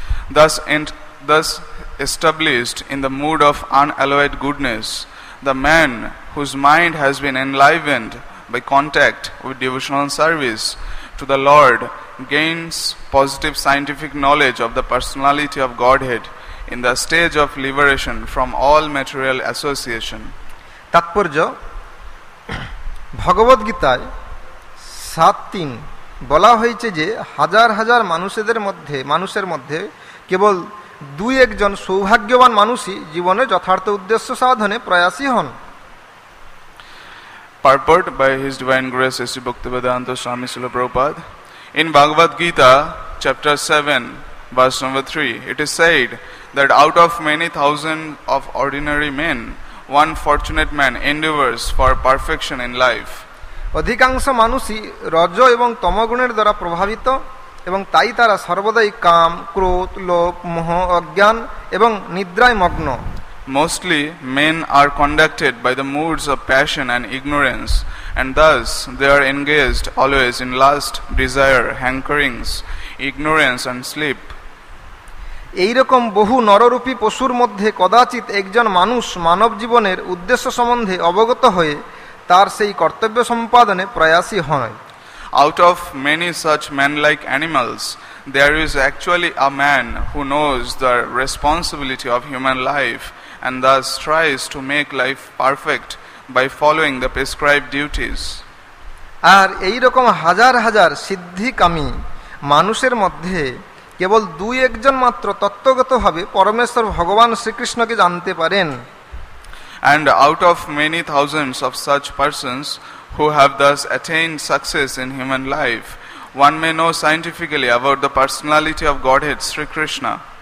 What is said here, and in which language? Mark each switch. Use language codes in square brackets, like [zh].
[en] Thus established in the mood of unalloyed goodness, the man whose mind has been enlivened by contact with devotional service to the Lord gains positive scientific knowledge of the personality of Godhead in the stage of liberation from all material association. [bn] Tatpurja ভগবদ গীতায় ৭-৩ বলা হয়েছে যে হাজার হাজার মানুষের মধ্যে কেবল দুই একজন সৌভাগ্যবান মানুষই জীবনে যথার্থ উদ্দেশ্য সাধনে প্রয়াসী হন [en] Purport by his divine grace Shri Bhaktivedanta Swami Srila Prabhupada in Bhagavad Gita chapter seven verse number three it is said that out of many thousand of ordinary men one fortunate man endeavors for perfection in life. [bn] অধিকাংশ মানুষই রজ এবং তমগুণের দ্বারা প্রভাবিত এবং তাই তারা সর্বদাই কাম ক্রোধ লোভ মোহ অজ্ঞান এবং নিদ্রায় মগ্ন. [en] Mostly men are conducted by the moods of passion and ignorance, and thus they are engaged always in lust, desire, hankerings, ignorance and sleep. [bn] এই রকম বহু নররূপী পশুর মধ্যে কদাচিৎ একজন মানুষ মানব জীবনের উদ্দেশ্য সম্বন্ধে অবগত হয়ে তার সেই কর্তব্য সম্পাদনে প্রয়াসী হয়। [en] Out of many such man-like animals, there is actually a man who knows the responsibility of human life and thus tries to make life perfect by following the prescribed duties. [bn] আর এই রকম হাজার হাজার সিদ্ধিকামী মানুষের মধ্যে কেবল দুই একজন মাত্র তত্ত্বগতভাবে পরমেশ্বর ভগবান শ্রীকৃষ্ণকে জানতে পারেন। [en] And out of many thousands of such persons who have thus attained success in human life, one may know scientifically about the personality of Godhead Sri Krishna.